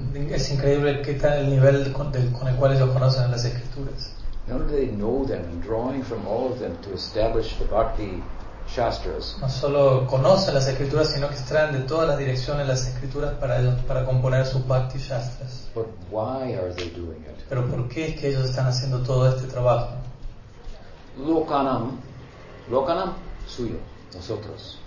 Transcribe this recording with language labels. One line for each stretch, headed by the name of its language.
Spanish: Es increíble qué tal el nivel con el cual ellos conocen las escrituras.
English: Not only do they know them, drawing from all of them to establish the bhakti shastras.
Spanish: No solo conocen las escrituras, sino que extraen de todas las direcciones las escrituras para componer sus bhakti shastras.
English: But why are they doing it?
Spanish: Pero ¿por qué es que ellos están haciendo todo este trabajo? Lokanam, lokanam suyo, nosotros.